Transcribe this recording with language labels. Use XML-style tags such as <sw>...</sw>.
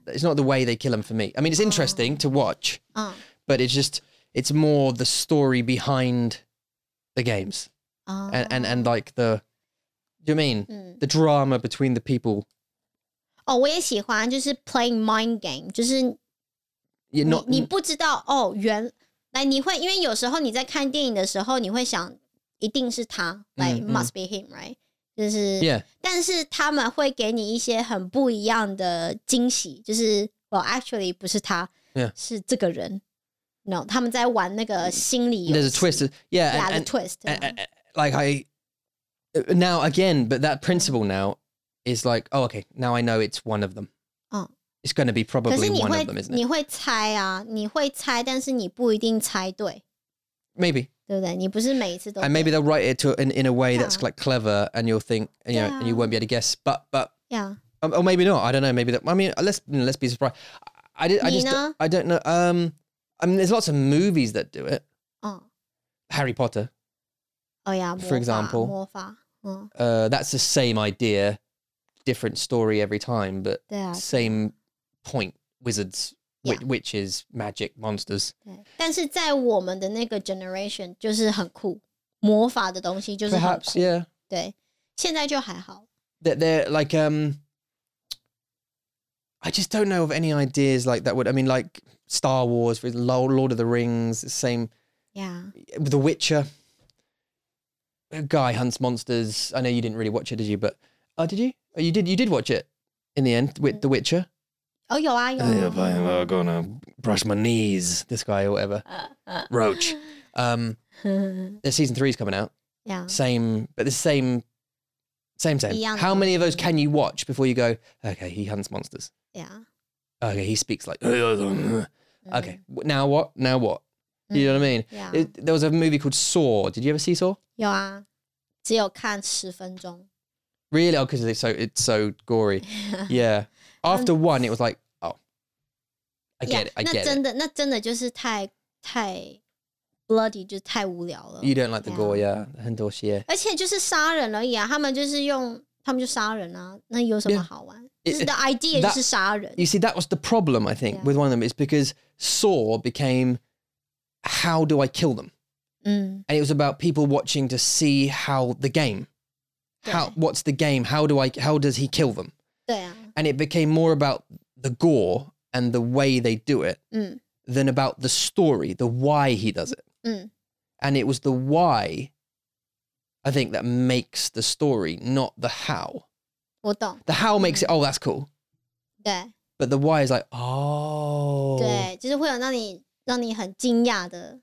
<en>It's not the way they kill them for me. I mean, it's interesting to watch. But it's more the story behind the games. And like the, do you mean? The drama between the people.</en> <zh>Oh, 我也喜欢就是</zh> <en>playing mind game.</en> <zh>就是 你不知道哦原来你会因为有时候你在看电影的时候你会想一定是他</zh> <en>like must be him, right?</en> <zh>就是、</zh> <en>yeah.</en> <zh>但是他们会给你一些很不一样的惊喜就是</zh> <en>well, actually</en> <zh>不是他、</zh> <en>yeah.</en> <zh>是这个人 no, 他们在玩那个心理游戏</zh> <en>There's a twist Yeah, yeah and, the twist and, Like I Now again but that principle now is like Oh okay, now I know it's one of them、It's going to be probably one of them, isn't it?</en> <zh>你会猜啊你会猜但是你不一定猜对</zh> <en>Maybe</en> <zh>对不对？你不是每一次都</zh> <en>对。And maybe they'll write it to in a way that's like clever, and you'll think, you know, and you won't be able to guess. But yeah, or maybe not. I don't know. Maybe that. I mean, let's be surprised. I don't know. I mean, there's lots of movies that do it. Harry Potter. Oh yeah, for example,</en> <zh>魔法。</zh> <en>That's the same idea, different story every time, but same point. Wizards. Yeah. Witches, magic, monsters. 对，但是在我们的那个 generation 就是很酷，魔法的东西就是很酷。 Perhaps, yeah. 对，现在就还好。 They're like, I just don't know of any ideas like that would, I mean, like Star Wars, Lord of the Rings, same. Yeah. The Witcher. A guy hunts monsters. I know you didn't really watch it, did you? But, did you? Oh, you did watch it in the end with The Witcher. Oh, you are, you are. I'm going to brush my knees, this guy or whatever. Roach. season 3 is coming out. Yeah. Same, but the same. Same. How many of those can you watch before you go, okay, he hunts monsters? Yeah. Okay, he speaks like, okay, now what? Now what? You know what I mean? Yeah. There was a movie called Saw. Did you ever see Saw?</en> <zh>有啊，只有看十分钟。</zh> <en>Really? Oh, because it's so gory. Yeah. After one, it was like, oh, I get it.</en> <zh>那真的就是太 bloody, 就是太无聊了。</zh> <en>You don't like the gore, yeah.</en> <zh>很多血。而且就是杀人而已啊，他们就杀人啊，那有什么好玩？</zh> <en>The idea is</en> <zh>是杀人。</zh> <en>You see, that was the problem, I think, with one of them. It's because Saw became... How do I kill them? And it was about people watching to see how the game, what's the game? How does he kill them? And it became more about the gore and the way they do it than about the story, the why he does it. And it was the why, I think, that makes the story, not the how.</en> <zh>我懂。</zh> <en>The how makes it, oh, that's cool.</en> <zh>对。</zh> <en>But the why is like, oh.</en> <zh>对,就是会有那里让你很惊讶的、</zh>